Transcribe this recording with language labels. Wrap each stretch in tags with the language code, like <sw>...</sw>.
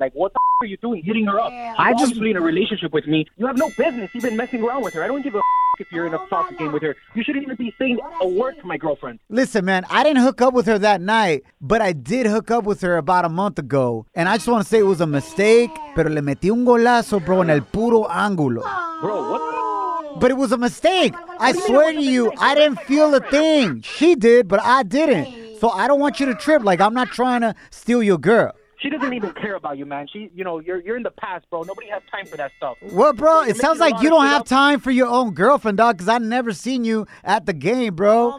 <en>Like, what the f*** are you doing hitting her up? You're obviously in a relationship with me. You have no business even messing around with her. I don't give a f*** if you're in a soccer game with her. You shouldn't even be saying a word to my girlfriend. Listen, man, I didn't hook up with her that night, but I did hook up with her about a month ago. And I just want to say it was a mistake.</en> <es>Pero le metí un golazo, bro, en el puro ángulo.</es> <en>Bro, what the f***? But it was a mistake. I swear to you, I didn't feel a thing. She did, but I didn't. So I don't want you to trip. Like, I'm not trying to steal your girl. She doesn't even care about you, man. You're in the past, bro. Nobody has time for that stuff. Well, bro, it sounds like you don't have time for your own girlfriend, dog, because I've never seen you at the game, bro.</en>